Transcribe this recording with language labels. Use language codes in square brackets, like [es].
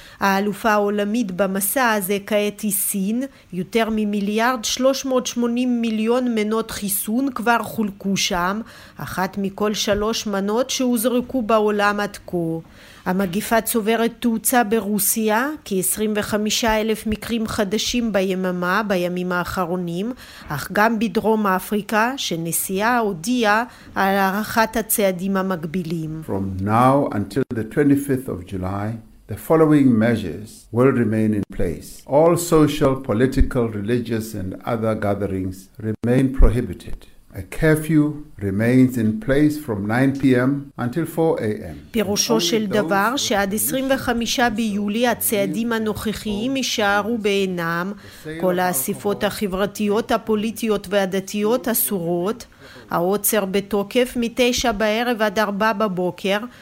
[he] האלופה העולמית במסע הזה כעת היא סין, יותר ממיליארד 380 מיליון מנות חיסון כבר חולקו שם, אחת מכל 3 מנות שהוזרקו בעולם עד כה. המגיפה צוברת תאוצה ברוסיה, כ-25,000 מקרים חדשים ביממה בימים האחרונים, אך גם בדרום אפריקה, שנשיאה הודיעה על הערכת הצעדים המקבילים. [en] From now until the 25th of July, the following measures will remain in place. All social, political, religious and other gatherings remain prohibited. A curfew remains in place from 9 p.m. until 4 a.m. [he] פירושו של דבר שעד 25 ביולי הצעדים הנוכחיים יישארו בעינם. כל האסיפות החברתיות, הפוליטיות והדתיות אסורות. העוצר בתוקף מ-9 בערב עד 4 בבוקר.